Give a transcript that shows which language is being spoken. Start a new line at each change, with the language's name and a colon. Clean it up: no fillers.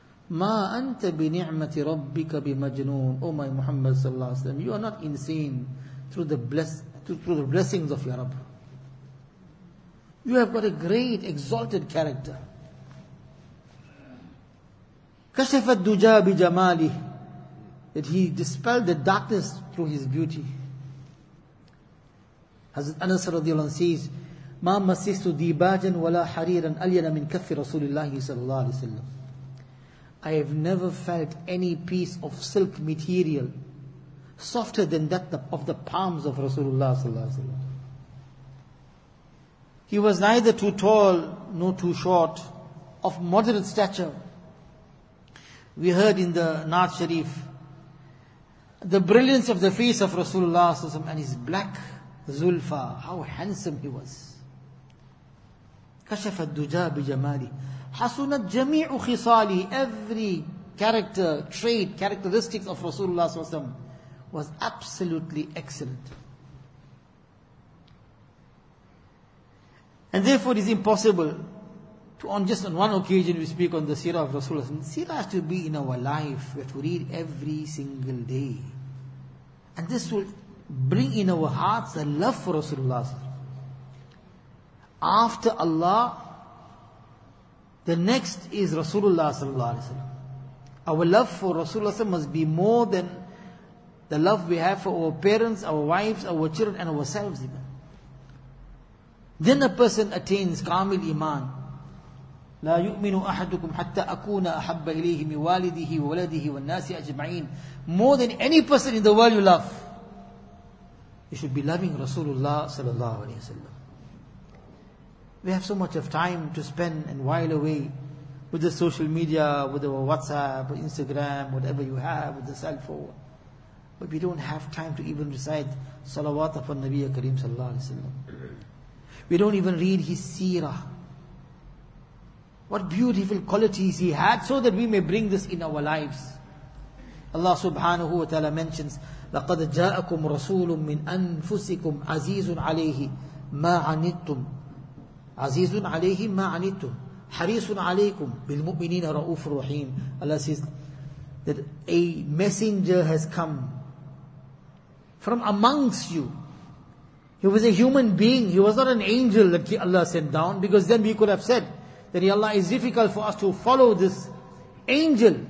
Arabic: Ma anta bi ni'mati rabbika bi majnoon.
English: Oh my Muhammad sallallahu alaihi wasallam, you are not insane through the blessings of your Rabb. You have got a great exalted character.
Arabic: كَشَفَ الدُّجَى بِجَمَالِهِ,
English: that he dispelled the darkness through his beauty.
Arabic: Hazrat Anas radiallahu anhu says, مَا مَسِسْتُ دِيبَاجًا وَلَا حَرِيرًا أَلْيَنَ مِنْ كَفِّ رَسُولِ اللَّهِ صَلَى اللَّهِ عَلَيْهِ وَسَلَّمَ.
English: I have never felt any piece of silk material softer than that of the palms of Rasulullah صلى الله عليه وسلم. He was neither too tall nor too short, of moderate stature. We heard in the Naat Sharif the brilliance of the face of Rasulullah and his black zulfa, how handsome he was.
Arabic: كَشَفَ الدُّجَى بِجَمَالِهِ حَسُنَتْ جَمِيعُ خِصَالِهِ.
English: Every character, trait, characteristics of Rasulullah was absolutely excellent. And therefore it is impossible to, on just on one occasion, we speak on the seerah of Rasulullah. Seerah has to be in our life. We have to read every single day. And this will bring in our hearts the love for Rasulullah. After Allah, the next is Rasulullah. Our love for Rasulullah must be more than the love we have for our parents, our wives, our children and ourselves even. Then a person attains kamil iman.
Arabic: لا يؤمن أحدكم حتى أكون أحب إليه من والده وولده والناس أجمعين.
English: More than any person in the world you love, you should be loving Rasulullah صلى الله عليه وسلم. We have so much of time to spend and while away with the social media, with our WhatsApp, or Instagram, whatever you have, with the cell phone, but we don't have time to even recite salawat upon Nabi Kareem صلى الله عليه وسلم. We don't even read his seerah. What beautiful qualities he had, so that we may bring this in our lives. Allah subhanahu wa ta'ala mentions,
Arabic: لَقَدْ جَاءَكُمْ رَسُولٌ مِّنْ أَنفُسِكُمْ عَزِيزٌ عَلَيْهِ مَا عَنِدْتُمْ عَزِيزٌ عَلَيْهِ مَا عَنِدْتُمْ حَرِيصٌ عَلَيْكُمْ بِالْمُؤْمِنِينَ رَؤُوفٌ رَحِيمٌ.
English: Allah says that a messenger has come from amongst you. He was a human being. He was not an angel that Allah sent down, because then we could have said that Allah is difficult for us to follow this angel.